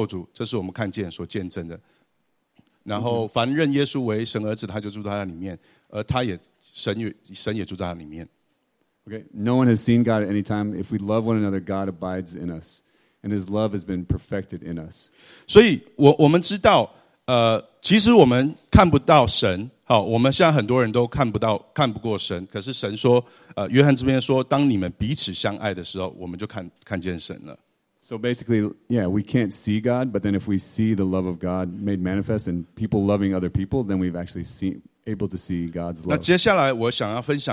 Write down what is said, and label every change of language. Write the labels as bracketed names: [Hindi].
[Chinese] 他说，这边的经文讲，从来没有人看过神，我们若彼此相爱，神就住在我们里面，爱他的心就得以完全了。神将他的灵赐给我们，就知道我们住在他里面，你也住在我们里面，父作世人的救主，这是我们看见所见证的。然后凡认耶稣为神儿子，他就住在他里面，而他也神也住在他里面。Okay, [English] no one has seen God at any time. If we love one another, God abides in us, and His love has been perfected in us. [Chinese] 所以我们知道，其实我们看不到神。好，我们现在很多人都看不过神。可是神说，约翰这边说，当你们彼此相爱的时候，我们就看见神了。 [English] So basically, yeah, we can't see God, but then if we see the love of God made manifest and people loving other people, then we've actually seen able to see God's love.